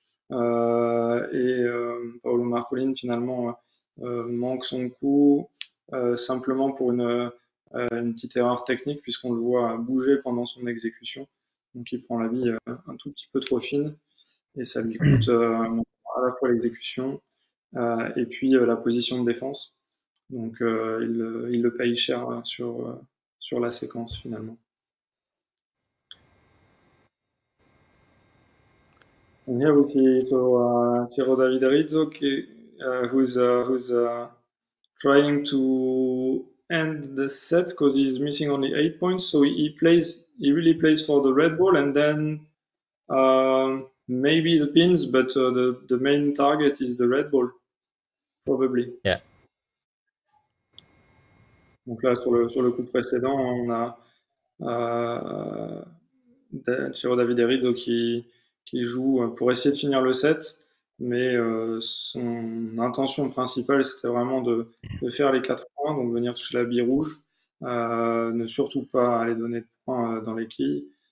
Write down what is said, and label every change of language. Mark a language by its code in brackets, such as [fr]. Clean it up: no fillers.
[fr] Paolo Marcolin finalement manque son coup simplement pour une petite erreur technique, puisqu'on le voit bouger pendant son exécution, donc il prend la bille un tout petit peu trop fine, et ça lui coûte à la fois l'exécution et puis la position de défense, donc il le paye cher sur la séquence finalement. [en] And here we see Ciro David Rizzo, who's trying to end the set because he's missing only 8 points. So he really plays for the red ball, and then maybe the pins, but the main target is the red ball, probably. Yeah. [fr] Donc là, sur le coup précédent, on a Ciro David Rizzo qui joue pour essayer de finir le set, mais son intention principale, c'était vraiment de faire les 4 points, donc venir toucher la bille rouge, ne surtout pas aller donner de points dans les quilles.